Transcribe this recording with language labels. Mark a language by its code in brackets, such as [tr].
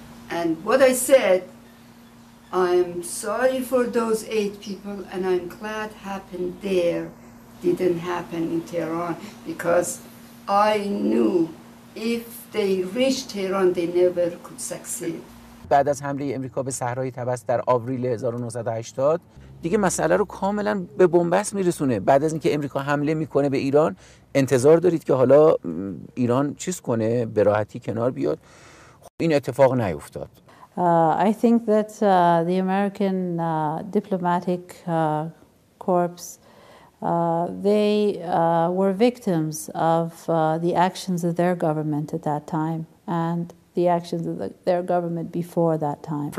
[en] And what I said, I'm sorry for those eight people, and I'm glad happened there, didn't happen in Tehran, because I knew if they reached Tehran, they never could succeed. [fa] بعد از حمله امریکا به صحرای طبس در آوریل 1980، دیگه مسئله رو کاملا به بنبست میرسونه. بعد از اینکه امریکا حمله میکنه به ایران، انتظار دارید که حالا ایران چیز کنه، به راحتی کنار بیاد؟ خب این اتفاق نیفتاد. [en] I think that the American diplomatic corps they were victims of the actions of their government at that time and the actions of their government before that time.